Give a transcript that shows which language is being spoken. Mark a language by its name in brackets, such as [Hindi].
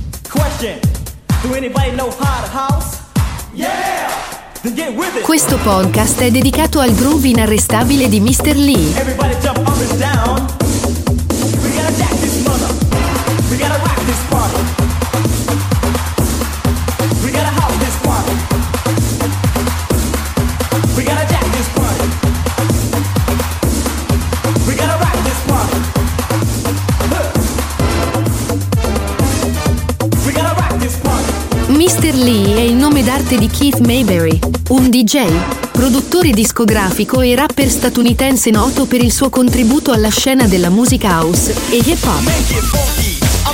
[English] Question: do anybody know how to house? Yeah! Then get with it. [Italian] Questo podcast è dedicato al groove inarrestabile di Mr. Lee. [English] Everybody jump up and down. We gotta jack this mother. We gotta rock this party. We gotta house this party. We gotta jack this party. We gotta rock this party. We gotta rock this party. [Italian] Mr. Lee è il nome d'arte di Keith Mayberry, un DJ, produttore discografico e rapper statunitense noto per il suo contributo alla scena della musica house e hip hop.